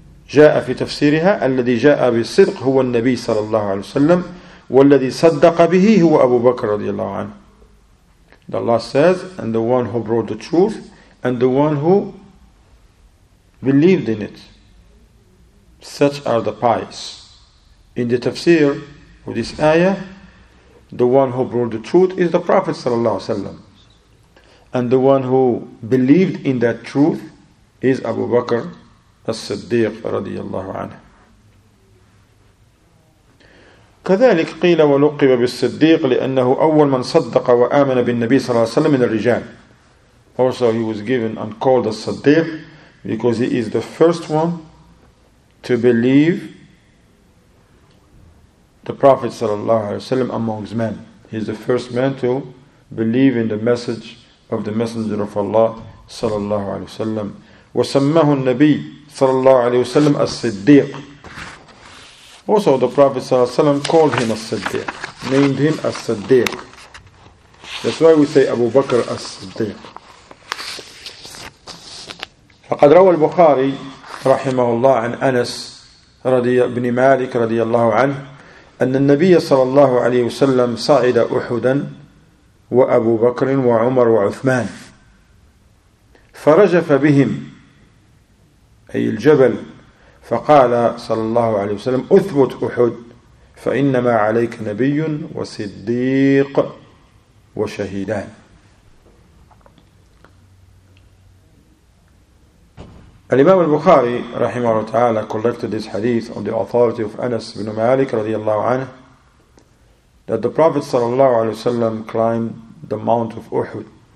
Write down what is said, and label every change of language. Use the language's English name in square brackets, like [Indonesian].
[Arabic] جاء في تفسيرها الذي جاء بالصدق هو النبي صلى الله عليه وسلم والذي صدق به هو أبو بكر رضي الله عنه. [English] Allah says, and the one who brought the truth and the one who believed in it, such are the pious. In the tafsir of this ayah, the one who brought the truth is the Prophet [Arabic] صلى الله عليه وسلم, [English] and the one who believed in that truth is Abu Bakr الصديق [Arabic] رضي الله عنه. كذلك قيل ولقب بالصديق لأنه أول من صدق وآمن بالنبي صلى الله عليه وسلم من الرجال. [English] Also he was given and called as Siddiq because he is the first one to believe the Prophet [Arabic] صلى الله عليه وسلم [English] amongst men. He is the first man to believe in the message of the Messenger of Allah [Arabic] صلى الله عليه وسلم وسمه النبي صلى الله عليه وسلم الصديق. [English] Also the Prophet [Arabic] صلى الله عليه وسلم [English] called him الصديق, named him الصديق. That's why we say Abu Bakr الصديق. [Arabic] فقد روى البخاري رحمه الله عن أنس رضي بن مالك رضي الله عنه أن النبي صلى الله عليه وسلم صعد أحدا وأبو بكر وعمر وعثمان فرجف بهم أي الجبل فقال صلى الله عليه وسلم أثبت أحد فإنما عليك نبي وصديق وشهيدان. [English] الإمام البخاري [Arabic] رحمه الله تعالى [English] collected this hadith on the authority of Anas ibn Malik [Arabic] رضي الله عنه [English] that the Prophet [Arabic] صلى الله عليه وسلم [English] climbed the Mount of Uhud.